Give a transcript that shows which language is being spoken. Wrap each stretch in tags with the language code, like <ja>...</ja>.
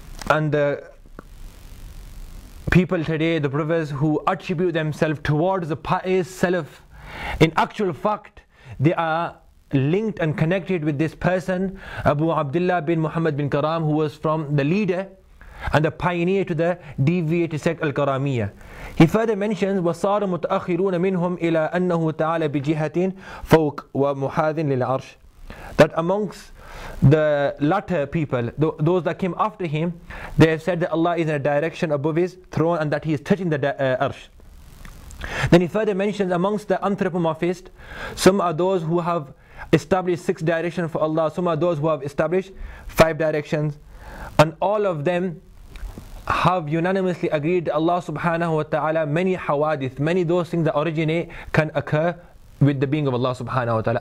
<en>And the people today, the brothers who attribute themselves towards the pious Salaf, in actual fact, they are linked and connected with this person, Abu Abdullah bin Muhammad bin Karam, who was from the leader and the pioneer to the deviated sect Al-Karamiyya.</en> <ar>He further mentions, وَصَارَ مُتَأَخِرُونَ مِنْهُمْ إِلَىٰ أَنَّهُ تَعَالَى بِجِهَةٍ فَوْقٍ وَمُحَاذٍ لِلْعَرْشِ,</ar> <en>that amongst the latter people, those that came after him, they have said that Allah is in a direction above his throne and that he is touching the arsh. Then he further mentions amongst the anthropomorphists, some are those who have established 6 directions for Allah, some are those who have established 5 directions, and all of them have unanimously agreed Allah subhanahu wa ta'ala, many hawadith, many those things that originate can occur with the being of Allah subhanahu wa ta'ala.</en>